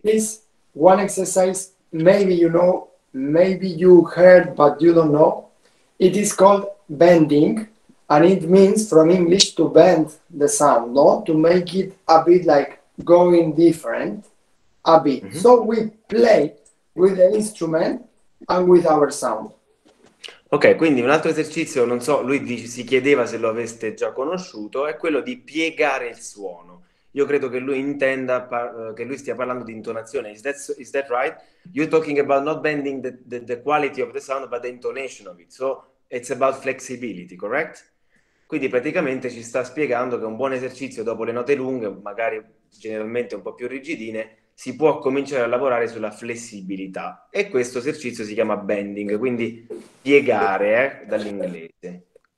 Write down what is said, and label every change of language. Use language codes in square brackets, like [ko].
[en] is one exercise, maybe you know, maybe you heard, but you don't know. It is called bending, and it means from English to bend the sound, no? To make it a bit like going different. A bit. Mm-hmm. So we play with the instrument and with our sound. [it] Ok, quindi un altro esercizio, non so, lui dice, si chiedeva se lo aveste già conosciuto, è quello di piegare il suono. Io credo che lui intenda, che lui stia parlando di intonazione. [en] Is that right? You're talking about not bending the quality of the sound, but the intonation of it. So it's about flexibility, correct? [it] Quindi praticamente ci sta spiegando che un buon esercizio dopo le note lunghe, magari generalmente un po' più rigidine, si può cominciare a lavorare sulla flessibilità. E questo esercizio si chiama bending, quindi piegare, dall'inglese.